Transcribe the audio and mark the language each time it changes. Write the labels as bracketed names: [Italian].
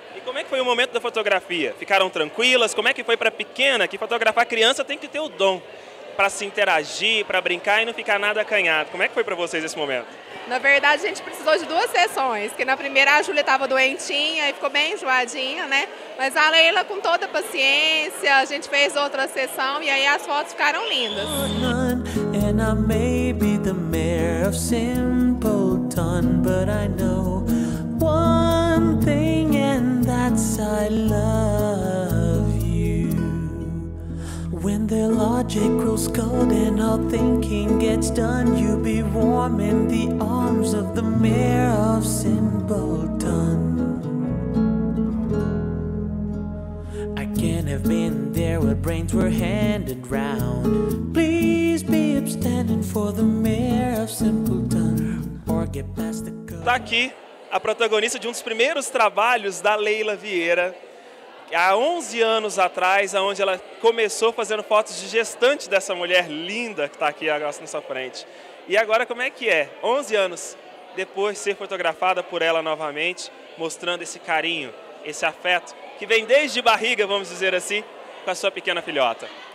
[Portuguese] E como é que foi o momento da fotografia? Ficaram tranquilas? Como é que foi pra pequena, que fotografar criança tem que ter o dom para se interagir, para brincar e não ficar nada acanhado? Como é que foi para vocês esse momento? Na verdade, a gente precisou de duas sessões, porque na primeira a Júlia estava doentinha e ficou bem enjoadinha, né? Mas a Leila, com toda a paciência, a gente fez outra sessão e aí as fotos ficaram lindas. [English] And I may be the mayor of Simpleton, but I know one thing. I love you. When the logic grows cold and all thinking gets done, you'll be warm in the arms of the mayor of Simpleton. I can't have been there when brains were handed round. Please be upstanding for the mayor of Simpleton. Or get past the curve. [Portuguese] Tá aqui a protagonista de um dos primeiros trabalhos da Leila Vieira, há 11 anos atrás, onde ela começou fazendo fotos de gestante dessa mulher linda que está aqui agora na sua frente. E agora como é que é? 11 anos depois de ser fotografada por ela novamente, mostrando esse carinho, esse afeto, que vem desde barriga, vamos dizer assim, com a sua pequena filhota.